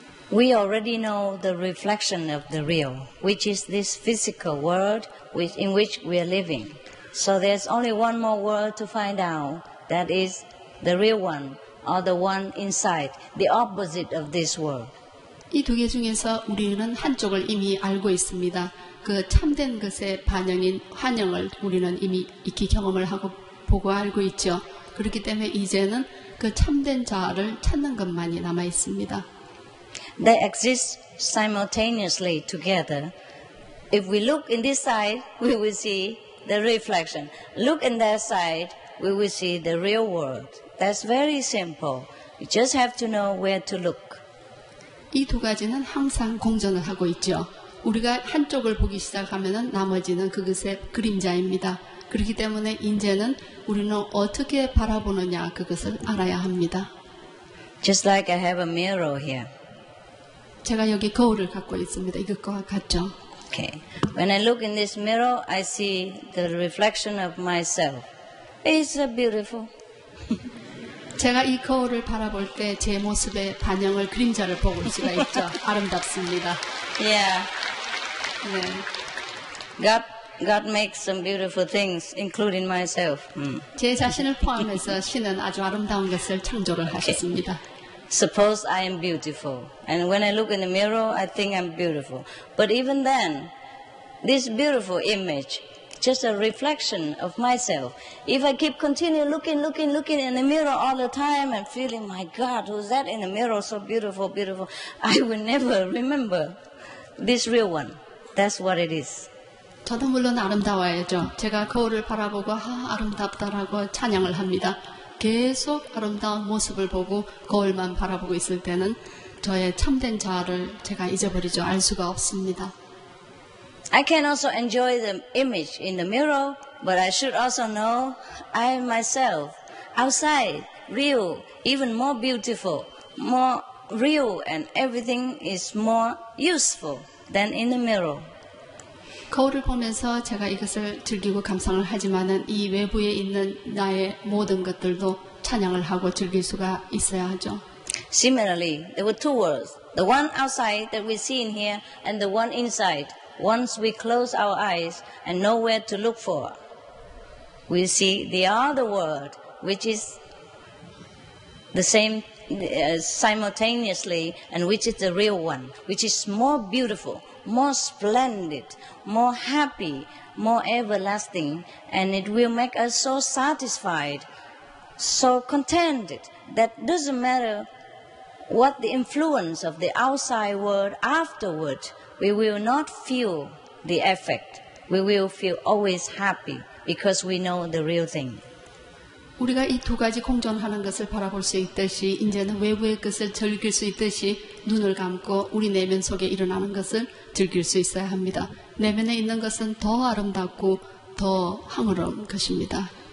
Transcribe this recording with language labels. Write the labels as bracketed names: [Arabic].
[English] We already know the reflection of the real, which is this physical world in which we are living. So there's only one more world to find out, that is the real one, or the one inside, the opposite of this world. [Korean] 이 두 개 중에서 우리는 한쪽을 이미 알고 있습니다. 그 참된 것의 반영인 환영을 우리는 이미 익히 경험을 하고 보고 알고 있죠. 그렇기 때문에 이제는 그 참된 자아를 찾는 것만이 남아 있습니다. [English] They exist simultaneously together. If we look in this side, we will see the reflection. Look in that side, we will see the real world. That's very simple. You just have to know where to look. [Korean] 이 두 가지는 항상 공존을 하고 있죠. 우리가 한쪽을 보기 시작하면 나머지는 그것의 그림자입니다. 그렇기 때문에 이제는 우리는 어떻게 바라보느냐 그것을 알아야 합니다. [English] Just like I have a mirror here. [Korean] 제가 여기 거울을 갖고 있습니다. 이것과 같죠. [English] Okay. When I look in this mirror, I see the reflection of myself. It's a beautiful. [Korean] 제가 이 거울을 바라볼 때 제 모습의 반영을 그림자를 보고 있을 수가 있죠. 아름답습니다. Yeah. 네. [English] God makes some beautiful things, including myself. [Korean] 제 자신을 포함해서 신은 아주 아름다운 것을 창조를 okay. 하셨습니다. [English] Suppose I am beautiful, and when I look in the mirror, I think I'm beautiful. But even then, this beautiful image. Just a reflection of myself. If I keep continuing looking in the mirror all the time and feeling, my God, who's that in the mirror? So beautiful, beautiful. I will never remember this real one. That's what it is. [Korean] 저도 물론 아름다워야죠. 제가 거울을 바라보고 아름답다라고 찬양을 합니다. 계속 아름다운 모습을 보고 거울만 바라보고 있을 때는 저의 참된 자아를 제가 잊어버리죠. 알 수가 없습니다. [English] I can also enjoy the image in the mirror, but I should also know I am myself, outside, real, even more beautiful, more real, and everything is more useful than in the mirror. [Korean] 거울을 보면서 제가 이것을 즐기고 감상을 하지만은 이 외부에 있는 나의 모든 것들도 찬양을 하고 즐길 수가 있어야 하죠. [English] Similarly, there were two worlds, the one outside that we see in here and the one inside. Once we close our eyes and know where to look for, we see the other world, which is the same simultaneously, and which is the real one, which is more beautiful, more splendid, more happy, more everlasting, and it will make us so satisfied, so contented, that doesn't matter what the influence of the outside world afterward. We will not feel the effect. We will feel always happy because we know the real thing. [Korean] 우리가 이 두 가지 공존하는 것을 바라볼 수 있듯이 이제는 외부의 것을 즐길 수 있듯이 눈을 감고 우리 내면 속에 일어나는 것을 즐길 수 있어야 합니다. 내면에 있는 것은 더 아름답고 더 황홀한 것입니다.